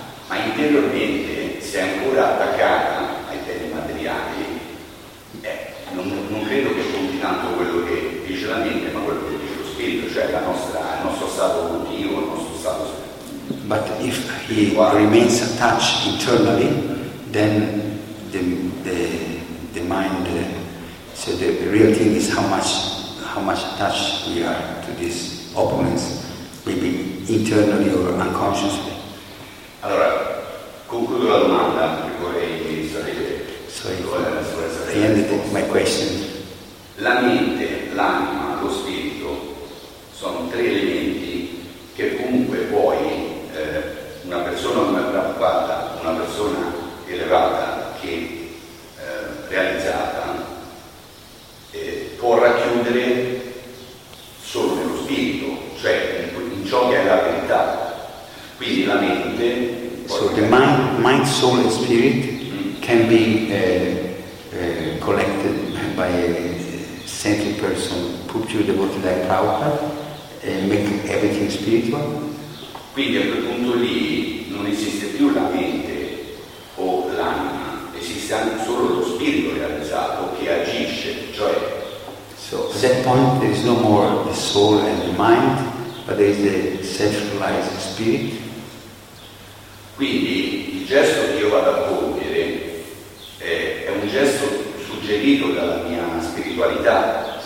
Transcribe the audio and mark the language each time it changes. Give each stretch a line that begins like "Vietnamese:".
Italian: Ma interiormente, se è ancora attaccata ai beni materiali, non credo che conti tanto quello che dice la mente, ma quello che dice lo spirito, cioè il nostro stato emotivo, il nostro stato.
English: But if he remains attached internally, then the mind, so the real thing is how much attached we are to these opponents, maybe internally or unconsciously.
Italian: Allora, concludo la domanda che vorrei sapere.
English: Sorry, I ended my question.
Italian: La mente, l'anima, lo spirito sono tre elementi che comunque puoi. Una persona come Prabhupada, una persona elevata che realizzata può racchiudere solo nello spirito, cioè in ciò che è la verità. Quindi la mente.
English: So the mind, soul and spirit can be collected by a sentient person, pure devoted like Prabhupada, make everything spiritual.
Italian: Quindi a quel punto lì non esiste più la mente o l'anima, esiste anche solo lo spirito realizzato che agisce, cioè.
English: So at that point there is no more the soul and the mind, but there is the self-realized spirit.
Italian: Quindi il gesto che io vado a compiere è un gesto suggerito dalla mia spiritualità.